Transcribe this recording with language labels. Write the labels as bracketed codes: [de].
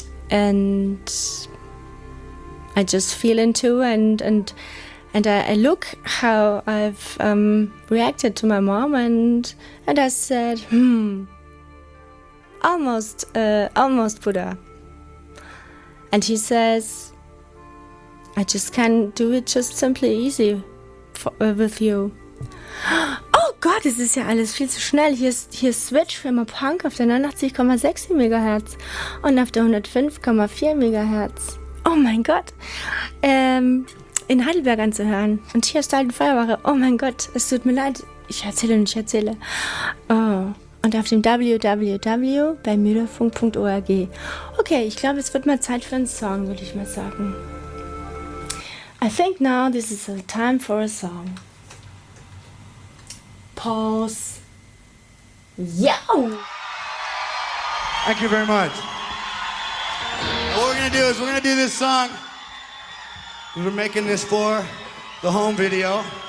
[en] And I just feel into and I look how I've reacted to my mom and I said, almost Buddha. And he says, I just can't do it just simply easy with you. [de] Oh Gott, es ist ja alles viel zu schnell. Hier ist Switch für immer Punk auf der 89,6 MHz und auf der 105,4 MHz. Oh mein Gott, in Heidelberg anzuhören. Und hier ist halt eine Feuerwache. Oh mein Gott, es tut mir leid. Ich erzähle. Oh. Und auf dem www.beimüderfunk.org. Okay, ich glaube, es wird mal Zeit für einen Song, würde ich mal sagen. [en] I think now this is a time for a song. Pause. Yo! Thank you very much. What we're gonna do is we're gonna do this song. We're making this for the home video.